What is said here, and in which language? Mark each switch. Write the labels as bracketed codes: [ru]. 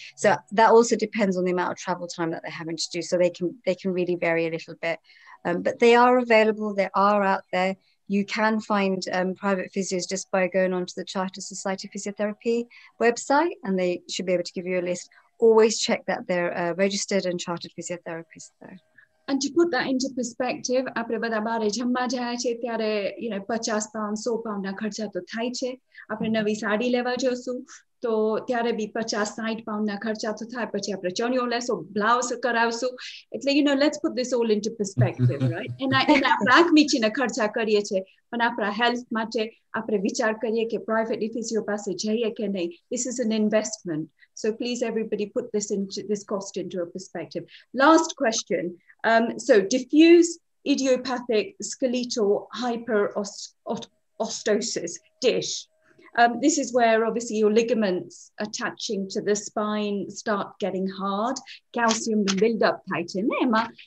[en] So that also depends on the amount of travel time that they're having to do. So they can really vary a little bit. But they are available. They are out there. You can find private physios just by going onto the Chartered Society of Physiotherapy website. And they should be able to give you a list. Always check that they're registered and chartered physiotherapists though. And to put that into perspective, [gu] આપણે બધા બારે જમવા જાય છે ત્યારે £50 £100 ના ખર્ચા તો થાય છે. આપણે નવી સાડી લેવા જશું તો ત્યારે બી £50-60 ના ખર્ચા તો થાય. પછી આપણે ચણિયો લેશો, બ્લાઉઝ કરાવશું. [en] એટલે let's put this all into perspective, right? [gu] And આપણે આંખ મીચીને ખર્ચા કરીએ છીએ, પણ આપણા હેલ્થ માટે આપણે વિચાર કરીએ કે પ્રાઇવેટલી ફિઝિયો પાસે જઈએ કે નહીં. [en] This is an investment. So please, everybody, put this cost into a perspective. Last question. So diffuse idiopathic skeletal hyperostosis, DISH. This is where obviously your ligaments attaching to the spine start getting hard, calcium buildup tightenema.